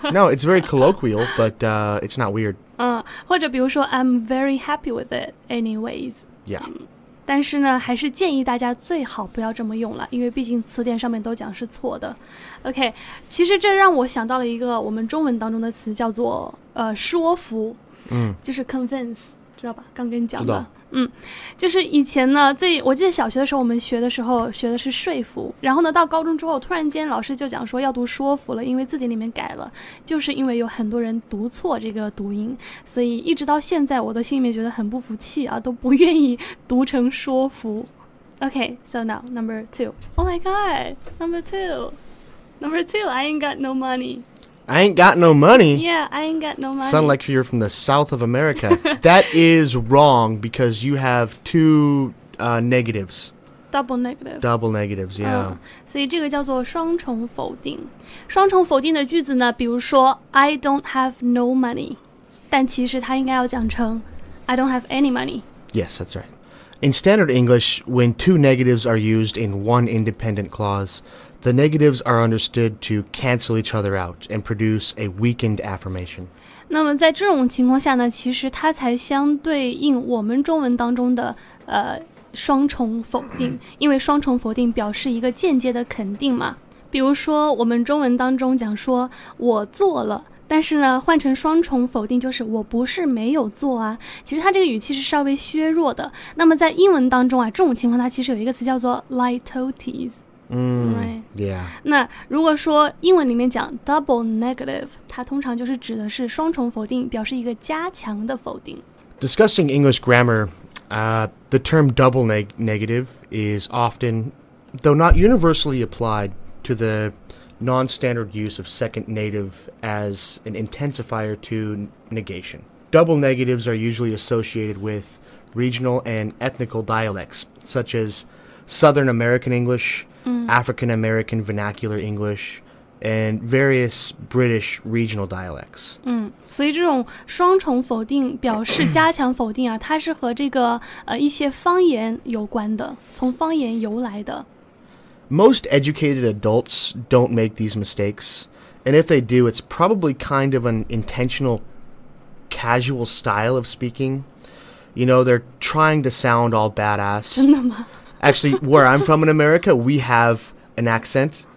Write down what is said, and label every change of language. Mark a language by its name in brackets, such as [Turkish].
[English] No, it's very colloquial, but it's not weird. [Chinese] 或者比如说 [English] I'm very happy with it, anyways. Yeah. [Chinese] 但是呢，还是建议大家最好不要这么用了，因为毕竟词典上面都讲是错的。 OK， 其实这让我想到了一个我们中文当中的词，叫做说服，就是 convince， 知道吧？刚跟你讲的，就是以前呢，我记得小学的时候我们学的时候学的是说服，然后呢到高中之后，突然间老师就讲说要读说服了，因为字典里面改了，就是因为有很多人读错这个读音，所以一直到现在我都心里面觉得很不服气啊，都不愿意读成说服。 [English] Okay, so now number two. Oh my god, number two, I ain't got no money. I ain't got no money. Yeah, I ain't got no money. Sound like you're from the south of America. That is wrong because you have two negatives. Double negative. Double negatives, yeah. [Chinese] 所以这个叫做双重否定。双重否定的句子呢，比如说 [English] I don't have no money. [Chinese] 但其实它应该要讲成 [English] I don't have any money. Yes, that's right. In standard English, when two negatives are used in one independent clause,The negatives are understood to cancel each other out and produce a weakened affirmation. [Chinese] 那么在这种情况下呢，其实它才相对应我们中文当中的双重否定，因为双重否定表示一个间接的肯定嘛。比如说我们中文当中讲说我做了，但是呢换成双重否定就是我不是没有做啊。其实它这个语气是稍微削弱的。那么在英文当中啊，这种情况它其实有一个词叫做 litotes。 [English] Yeah. [Chinese] 那如果说英文里面讲 double negative, 它通常就是指的是双重否定，表示一个加强的否定。 [English] Discussing English grammar, the term double negative is often, though not universally applied, to the non-standard use of second native as an intensifier to negation. Double negatives are usually associated with regional and ethnical dialects, such as Southern American English,African American Vernacular English, and various British regional dialects. [Chinese] 所以这种双重否定表示加强否定啊，它是和这个一些方言有关的，从方言由来的。 [English] Most educated adults don't make these mistakes, and if they do, it's probably kind of an intentional, casual style of speaking. You know, they're trying to sound all badass. [Chinese] 真的吗？ [English] Actually, where I'm from in America, we have an accent.